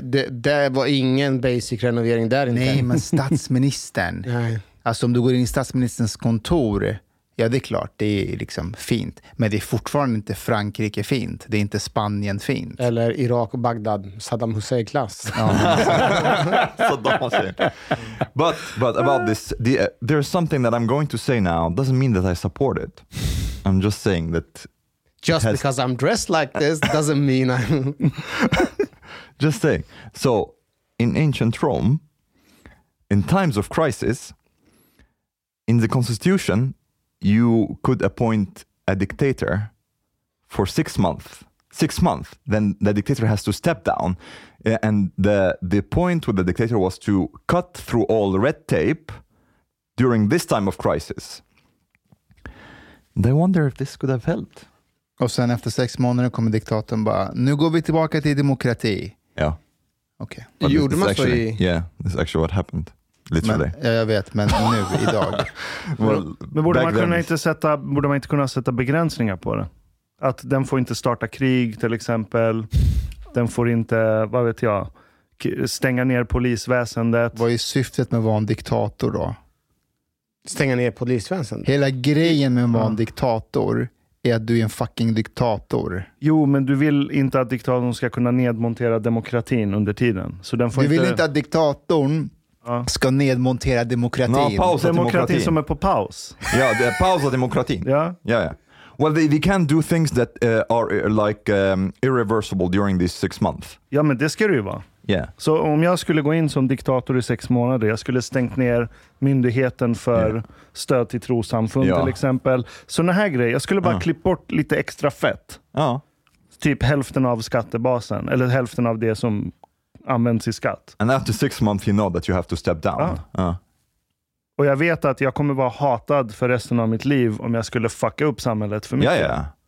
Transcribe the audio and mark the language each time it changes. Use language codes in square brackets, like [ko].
[sv] Det var ingen basic renovering där inte. Nej, men statsministern. Nej. Alltså om du går in i statsministerns kontor, ja det är klart, det är liksom fint. Men det är fortfarande inte Frankrike fint. Det är inte Spanien fint. Eller Irak och Bagdad, Saddam Hussein-klass. Saddam Hussein. [en] But about this, there is something that I'm going to say now. It doesn't mean that I support it. I'm just saying that... Just because I'm dressed like this doesn't mean I'm... Just saying. So, in ancient Rome, in times of crisis, in the constitution... You could appoint a dictator for 6 months. 6 months, then the dictator has to step down. And the point with the dictator was to cut through all the red tape during this time of crisis. And I wonder if this could have helped. [sv] Och sen efter 6 månader kommer diktatorn bara, nu går vi tillbaka till demokrati. Ja. Okej. Okay. Gjorde man så i... [en] Yeah, this is actually what happened. Literally. [sv] Men, ja, jag vet, men nu, idag. Well, men borde man inte kunna sätta begränsningar på det? Att den får inte starta krig, till exempel. Den får inte, vad vet jag, stänga ner polisväsendet. Vad är syftet med att vara en diktator då? Stänga ner polisväsendet? Hela grejen med att vara en diktator är att du är en fucking diktator. Jo, men du vill inte att diktatorn ska kunna nedmontera demokratin under tiden. Så den får du inte... vill inte att diktatorn ska nedmontera demokratin. No, pausa demokratin som är på paus. Ja, det är pausa demokratin. Ja, ja, ja. [en] Well, we can do things that are like irreversible during these 6 months. [sv] Ja, men det ska det ju vara. [en] Yeah. [sv] Så om jag skulle gå in som diktator i 6 månader, jag skulle stängt ner myndigheten för stöd till trosamfund till exempel. Såna här grejer, jag skulle bara klippa bort lite extra fett. Ja. Typ hälften av skattebasen, eller hälften av det som används i skatt. [en] And after 6 months you know that you have to step down. [sv] Och jag vet att jag kommer vara hatad för resten av mitt liv om jag skulle fucka upp samhället för mycket.